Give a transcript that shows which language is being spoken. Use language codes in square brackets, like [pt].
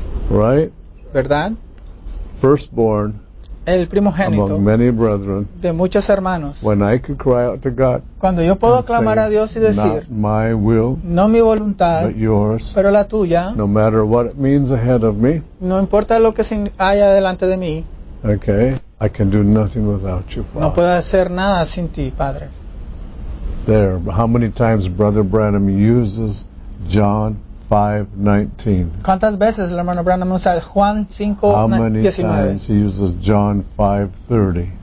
[en] Mm-hmm. Right? [es] ¿Verdad? [en] Firstborn [es] el primogénito [en] among many brethren, [es] de muchos hermanos. [en] When I could cry out to God [es] cuando yo puedo clamar [en] say, [es] a Dios y decir [en] not my will, [es] no mi voluntad [en] but yours, [es] pero la tuya [en] no, matter what it means ahead of me, [es] no importa lo que haya delante de mí [en] okay, I can do nothing without you, Father. [es] No puedo hacer nada sin ti, Padre. [en] There, how many times Brother Branham uses John 5:19? [es] ¿Cuántas veces el hermano Branham usa Juan 5:19? [en] How many times he uses John 5:30?